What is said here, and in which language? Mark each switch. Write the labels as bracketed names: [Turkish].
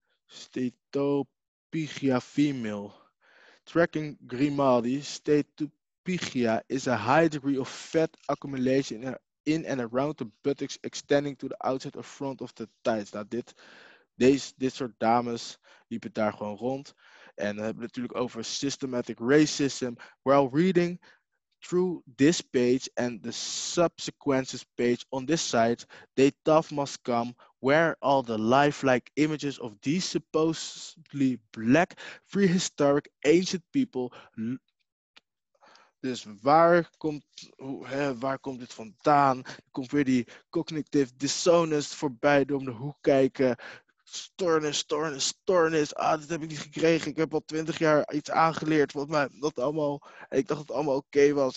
[English] Stetopygia female. Tracking Grimaldi, stetopygia is a high degree of fat accumulation in and around the buttocks extending to the outside of front of the thighs. [Dutch] Now, dit soort dames liepen daar gewoon rond. En dan hebben we natuurlijk over systematic racism. [English] While reading through this page and the subsequent page on this site, they tough must come where all the lifelike images of these supposedly black prehistoric ancient people. [Dutch] Dus waar komt dit vandaan? Komt weer die cognitive dissonance voorbij door om de hoek kijken. Stoornis. Ah, dat heb ik niet gekregen. Ik heb al 20 jaar iets aangeleerd. Ik dacht dat het allemaal oké was.